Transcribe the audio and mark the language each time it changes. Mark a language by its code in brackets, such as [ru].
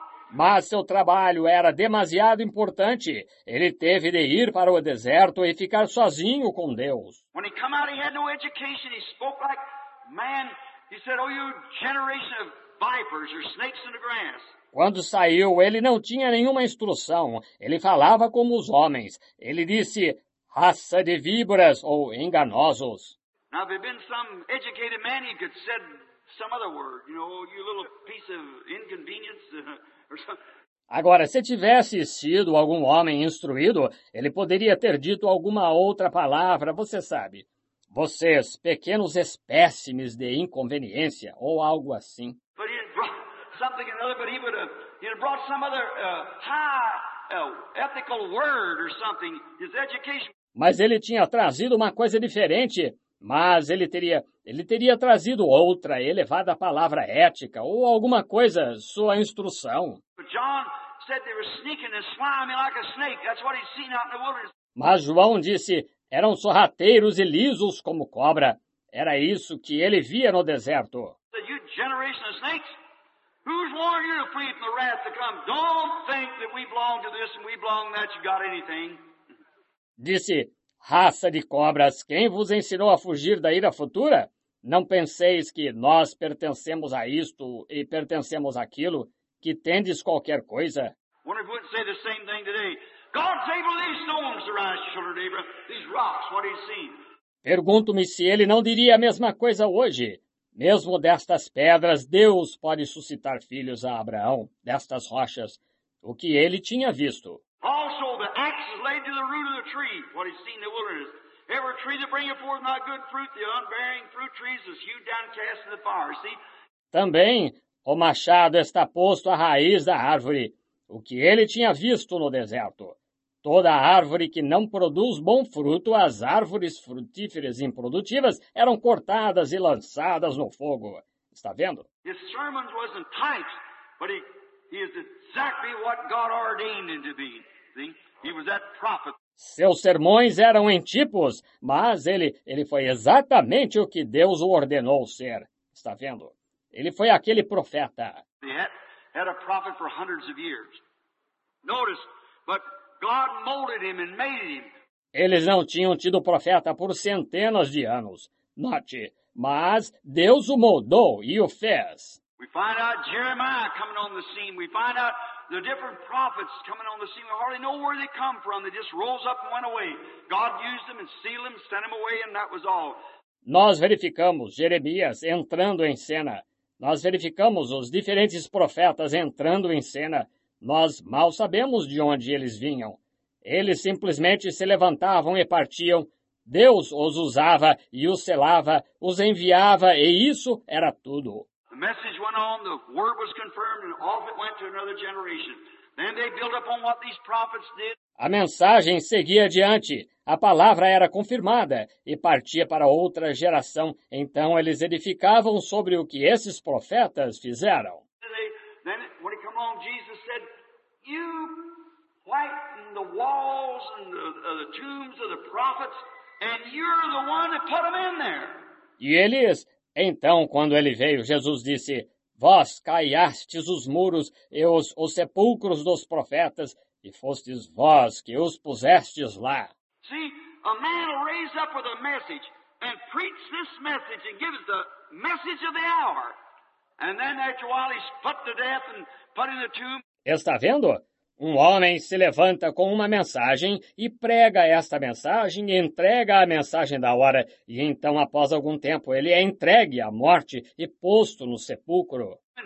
[pt] Mas seu trabalho era demasiado importante. Ele teve de ir para o deserto e ficar sozinho com Deus. Quando ele saiu, ele não tinha educação. Ele falou como um homem. Ele disse, [en] oh, you generation of vipers, or snakes in the grass. [pt] Quando saiu, ele não tinha nenhuma instrução. Ele falava como os homens. Ele disse, raça de víboras ou enganosos. [en] Now, if he'd been some educated man, he could said some other word. You know, you little piece of inconvenience. [pt] Agora, se tivesse sido algum homem instruído, ele poderia ter dito alguma outra palavra, você sabe. Vocês, pequenos espécimes de inconveniência, ou algo assim. [en] But he brought something another, but he'd brought some other high ethical word or something, his education. [pt] Mas ele tinha trazido uma coisa diferente, mas ele teria trazido outra elevada palavra ética ou alguma coisa, sua instrução. [en] John said they were sneaking and slimy like a snake. That's what he'd seen out in the wilderness. [pt] Mas João disse, eram sorrateiros e lisos como cobra. Era isso que ele via no deserto. [en] You generation of snakes, who's warned you to flee from the wrath to come? Don't think that we belong to this and we belong to that, you got anything. [pt] Disse, raça de cobras, quem vos ensinou a fugir da ira futura? Não penseis que nós pertencemos a isto e pertencemos àquilo, que tendes qualquer coisa? [en] Wonder if we'd say the same thing today. God's able to these stones to rise, children of Abraham. These rocks, what he's seen. [pt] Pergunto-me se ele não diria a mesma coisa hoje. Mesmo destas pedras, Deus pode suscitar filhos a Abraão, destas rochas, o que ele tinha visto. [en] Also, the axe is laid to the root of the tree, what he's seen in the wilderness. Every tree that bringeth forth not good fruit, the unbearing fruit trees is hewed down, cast in the fire. See? [pt] Também, o machado está posto à raiz da árvore, o que ele tinha visto no deserto. Toda árvore que não produz bom fruto, as árvores frutíferas e improdutivas eram cortadas e lançadas no fogo. Está vendo? [en] His sermons wasn't types, but he is exactly what God ordained him to be. See? [pt] Seus sermões eram em tipos, mas ele foi exatamente o que Deus o ordenou ser. Está vendo? Ele foi aquele profeta. [en] Had a prophet for hundreds of years. Notice, but God molded him and made him. [pt] Eles não tinham tido profeta por centenas de anos. Note, mas Deus o moldou e o fez. [en] We find out Jeremiah coming on the scene. We find out the different prophets coming on the scene. We hardly know where they come from. They just rose up and went away. God used them and sealed them, sent them away, and that was all. [pt] Nós verificamos Jeremias entrando em cena. Nós verificamos os diferentes profetas entrando em cena. Nós mal sabemos de onde eles vinham. Eles simplesmente se levantavam e partiam. Deus os usava e os selava, os enviava, e isso era tudo. [en] The message went on, the word was confirmed, and off it went to another generation. Then they built up on what these prophets did. [pt] A mensagem seguia adiante. A palavra era confirmada e partia para outra geração. Então eles edificavam sobre o que esses profetas fizeram. [en] Then when he came along, Jesus said, "You whiten the walls and the tombs of the prophets, and you're the one that put them in there." [pt] E eles, então, quando ele veio, Jesus disse: "Vós caiastes os muros e os sepulcros dos profetas, e fostes vós que os pusestes lá." [en] See, a man will raise up with a message and preach this message and give us the message of the hour. And then after a while he's put to death and put in the tomb. [pt] Está vendo? Um homem se levanta com uma mensagem e prega esta mensagem e entrega a mensagem da hora. E então, após algum tempo, ele é entregue à morte e posto no sepulcro.